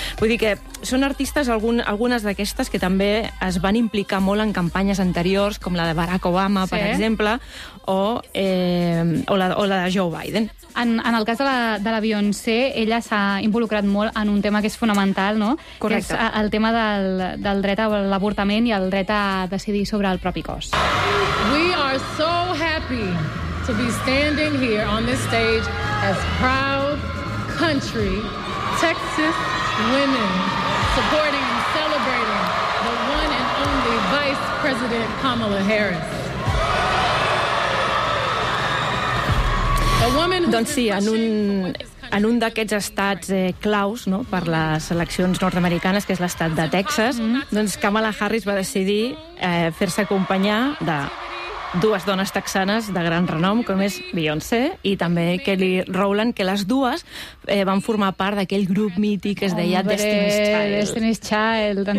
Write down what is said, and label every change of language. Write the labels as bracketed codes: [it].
[ca] Vull dir que són artistes, algunes d'aquestes, que també es van implicar molt en campanyes anteriors, com la de Barack Obama, sí, per exemple, o la de Joe Biden. En el cas de la Beyoncé, ella s'ha involucrat molt en un tema que és fonamental, no? Correcte. Que és el tema del dret a l'avortament i el dret a decidir sobre el propi cos. [en] We are so happy to be standing here on this stage as proud country Texas women supporting and celebrating the one and only Vice President Kamala Harris. [ca] Doncs sí, en un d'aquests estats claus, no?, per les eleccions nord-americanes, que és l'estat de Texas, doncs Kamala Harris va decidir fer-se acompanyar de dues dones texanes de gran renom, com és Beyoncé i també Kelly Rowland, que les dues van formar part d'aquell grup mític que es deia Destiny's Child,